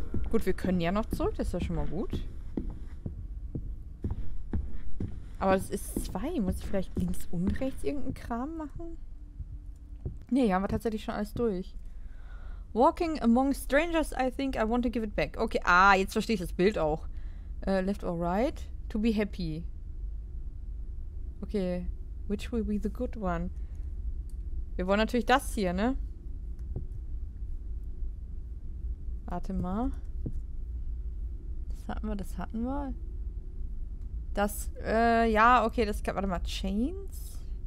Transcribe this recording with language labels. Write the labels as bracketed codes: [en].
[de] Gut, wir können ja noch zurück, das ist ja schon mal gut. Aber es ist zwei. Muss ich vielleicht links und rechts irgendeinen Kram machen? Ne, hier haben wir tatsächlich schon alles durch. [en] Walking among strangers, I think I want to give it back. [de] Okay, ah, jetzt verstehe ich das Bild auch. [en] Left or right? To be happy. Okay, which will be the good one? [de] Wir wollen natürlich das hier, ne? Warte mal. Das hatten wir. Das, ja, okay, das kann, warte mal, Chains?